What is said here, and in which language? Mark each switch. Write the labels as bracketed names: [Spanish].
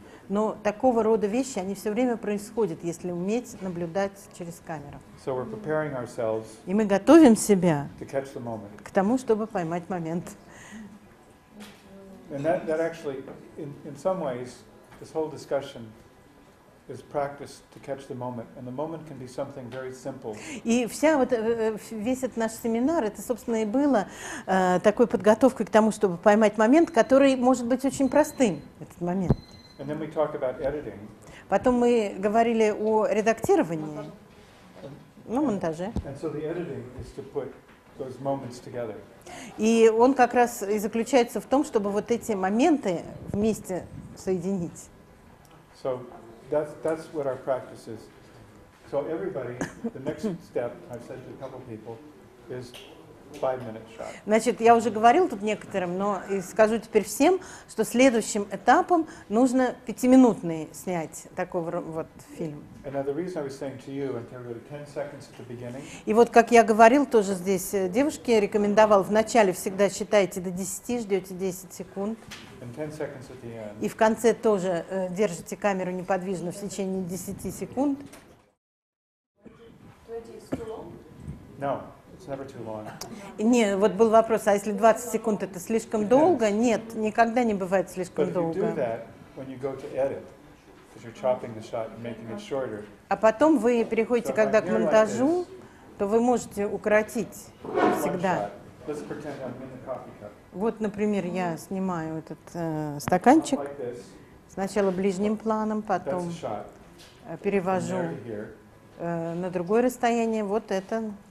[Russian] Но такого рода вещи, они все время происходят, если уметь наблюдать через камеру. [English] So we're preparing ourselves. [Russian] И мы готовим себя [English] to catch the moment. [Russian] К тому, чтобы поймать момент. [English] And that actually, in some ways, this whole discussion is practice to catch the moment, and the moment can be something very simple. [Russian] И вся вот весь этот наш семинар, это, собственно, и было такой подготовкой к тому, чтобы поймать момент, который может быть очень простым, этот момент. [English] And then we talk about editing. [Russian] Потом мы говорили о редактировании, ну, монтаже. [English] And so the editing is to put those moments together. [Russian] И он как раз и заключается в том, чтобы вот эти моменты вместе соединить. [English] So that's what our practice is. So everybody, the next step, I've said to a couple people, is 5-minute shot. [Russian] Значит, я уже говорил тут некоторым, но и скажу теперь всем, что следующим этапом нужно 5-минутный снять такого вот фильм. [English] And now the reason I was saying to you and to everybody, 10 seconds at the beginning. [Russian] И вот как я говорил тоже здесь девушке, рекомендовал вначале всегда считайте до 10, ждете 10 секунд. [English] And 10 seconds at the end. [Russian] И в конце тоже держите камеру неподвижно в течение 10 секунд. [English] No. It's never too long. [Russian] Не, вот был вопрос, а если 20 секунд это слишком долго? Нет, никогда не бывает слишком долго. [English] But if you do that when you go to edit, because you're chopping the shot and making it shorter. [Russian] А потом вы переходите, когда к монтажу, то вы можете укоротить всегда. [English] Let's pretend I'm in the coffee cup. [Russian] Вот, например, я снимаю этот стаканчик. Сначала ближним планом, потом перевожу на другое расстояние. Вот это.